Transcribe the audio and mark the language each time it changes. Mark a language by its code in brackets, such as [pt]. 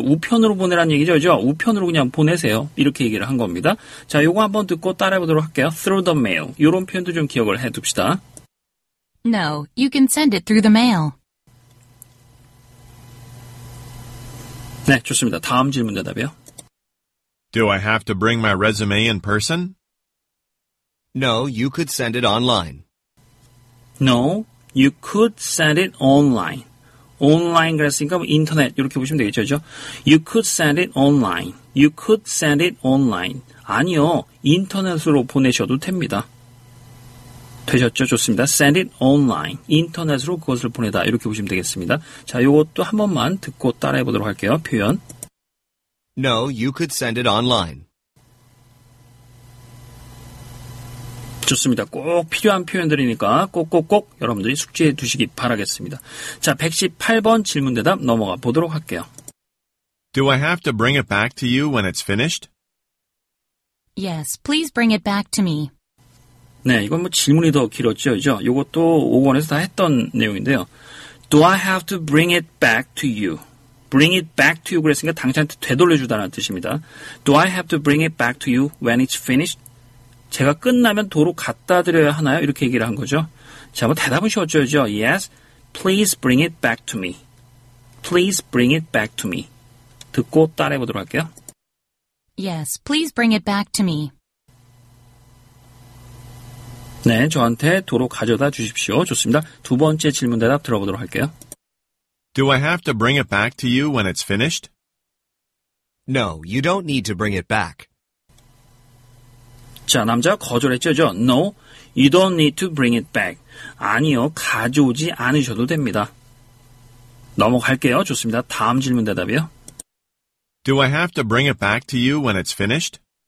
[ko] 우편으로 보내라는 얘기죠? 그렇죠? 우편으로 그냥 보내세요. 이렇게 얘기를 한 겁니다. 자, 요거 한번 듣고 따라해 보도록 할게요. [en] Through the mail. [ko] 요런 표현도 좀 기억을 해 둡시다. [en] No, you can send it through the mail. [ko] 네, 좋습니다. 다음 질문 대답이요. [en] Do I have to bring my resume in person? No, you could send it online. No, you could send it online. [ko] Online 그랬으니까 뭐 인터넷 이렇게 보시면 되겠죠. 그렇죠? [en] You could send it online. You could send it online. [ko] 아니요, 인터넷으로 보내셔도 됩니다. 되셨죠? 좋습니다. [en] Send it online. [ko] 인터넷으로 그것을 보내다. 이렇게 보시면 되겠습니다. 자, 이것도 한 번만 듣고 따라해 보도록 할게요. 표현. [en] No, you could send it online. [ko] 좋습니다. 꼭 필요한 표현들이니까 꼭 여러분들이 숙지해 두시기 바라겠습니다. 자, 118번 질문 대답 넘어가 보도록 할게요. [en] Do I have to bring it back to you when it's finished? Yes, please bring it back to me. [ko] 네, 이건 뭐 질문이 더 길었죠, 그죠? 요것도 5권에서 다 했던 내용인데요. [en] Do I have to bring it back to you? Bring it back to you [ko] 그랬으니까 당신한테 되돌려주다는 뜻입니다. [en] Do I have to bring it back to you when it's finished? [ko] 제가 끝나면 도로 갖다 드려야 하나요? 이렇게 얘기를 한 거죠. 자, 뭐 대답은 쉬웠죠, 그죠? [en] Yes, please bring it back to me. Please bring it back to me. [ko] 듣고 따라해 보도록 할게요. [en] Yes, please bring it back to me. [ko] 네, 저한테 도로 가져다 주십시오. 좋습니다. 두 번째 질문 대답 들어보도록 할게요. [en] Do I have to bring it back to you when it's finished? No, you don't need to bring it back. [ko] 자, 남자 거절했죠, 저. [en] No, you don't need to bring it back. [ko] 아니요, 가져오지 않으셔도 됩니다. 넘어갈게요. 좋습니다. 다음 질문 대답이요. [en] Do I have to bring it back to you when it's finished?